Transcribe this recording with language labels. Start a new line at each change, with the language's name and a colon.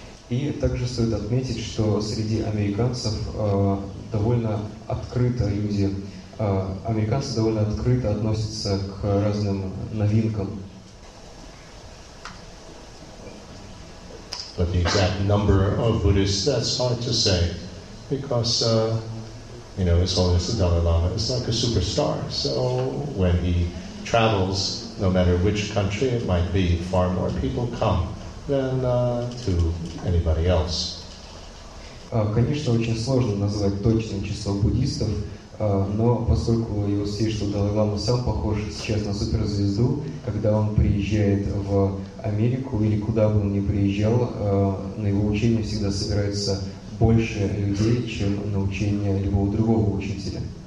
Russian: И также стоит отметить, что среди американцев довольно открыто люди, американцы довольно открыто относятся к разным новинкам.
English: But the exact number of Buddhists, that's hard to say, because, you know, as long as the Dalai Lama is like a superstar, so when he travels, no matter which country it might be, far more people come than to anybody else.
Russian: Конечно, очень сложно назвать точное число буддистов, но поскольку его все, что Далай Лама сам похож сейчас на суперзвезду, когда он приезжает в Америку или куда бы он ни приезжал, на его учение всегда собирается больше людей, чем на учение любого другого учителя.